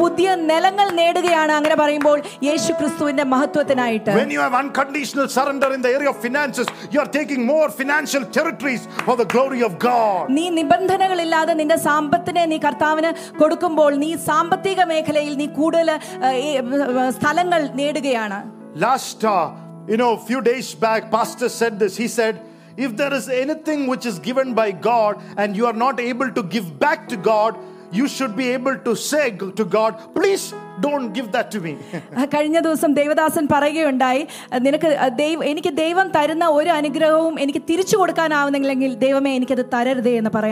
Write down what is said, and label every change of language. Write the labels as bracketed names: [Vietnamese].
[Malayalam] പുതിയ നിലങ്ങൾ നേടുകയാണ് അങ്ങനെ പറയുമ്പോൾ യേശു ക്രിസ്തുവിന്റെ മഹത്വത്തിനായിട്ട്. [English] When you have unconditional surrender in the area of finances, you are taking more financial territories for the glory of God. [Malayalam] നീ നിബന്ധനകൾ ഇല്ലാതെ നിന്റെ സമ്പത്തിനെ നീ കർത്താവിന് കൊടുക്കുമ്പോൾ നീ സാമ്പത്തിക മേഖലയിൽ നീ കൂടുതൽ സ്ഥലങ്ങൾ നേടുകയാണ്. [English] Last, you know, few days back, pastor said this. He said, if there is anything which is given by God and you are not able to give back to God, you should be able to say to God, please don't give that to me. [Malayalam] കഴിഞ്ഞ ദിവസം ദേവദാസൻ പറയുകയുണ്ടായി, നിനക്ക് എനിക്ക് ദൈവം തരുന്ന ഒരു അനുഗ്രഹവും എനിക്ക് തിരിച്ചു കൊടുക്കാനാവുന്നില്ലെങ്കിൽ ദൈവമേ എനിക്കത് തരരുതേ എന്ന്